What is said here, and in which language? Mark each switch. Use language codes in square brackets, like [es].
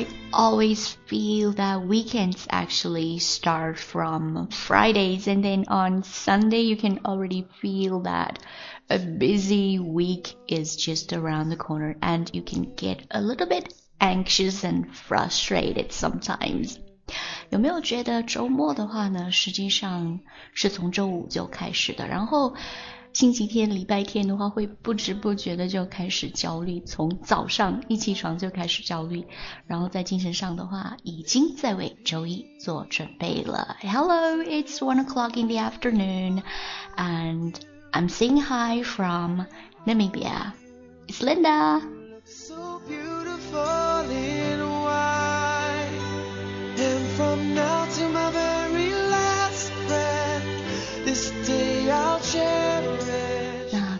[en] always feel that weekends actually start from Fridays, and then on Sunday you can already feel that a busy week is just around the corner, and you can get a little bit anxious and frustrated sometimes. [zh] 有没有觉得周末的话呢，实际上是从周五就开始的，然后星期天礼拜天的话会不知不觉的就开始焦虑，从早上一起床就开始焦虑，然后在精神上的话已经在为周一做准备了。 [en] Hello, it's 1 o'clock in the afternoon and I'm saying hi from Namibia. It's Linda. So beautiful in white, and from now to my very last breath, this day I'll cherish.